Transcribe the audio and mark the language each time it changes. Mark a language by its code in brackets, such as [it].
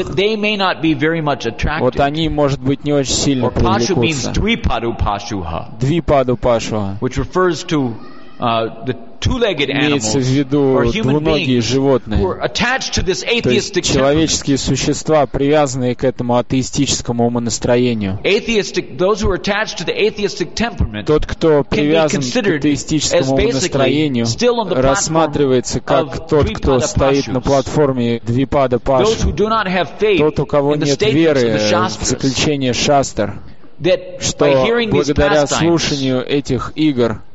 [ru] Вот они, может быть, не очень сильно привлекутся. [sa] Двипаду пашуха, [en] which refers to the two-legged animals, [ru] в виду двуногие животные, [en] who are attached to this atheistic [ru] человеческие существа, привязанные к этому атеистическому умонастроению. [en] Atheistic, those who are attached to the atheistic temperament, [ru] тот, кто привязан к атеистическому умонастроению, рассматривается как тот, кто стоит на платформе Двипада Пашу. [en] Those who do not have faith, [ru] тот, у кого нет веры в заключение шастр, что благодаря слушанию этих игр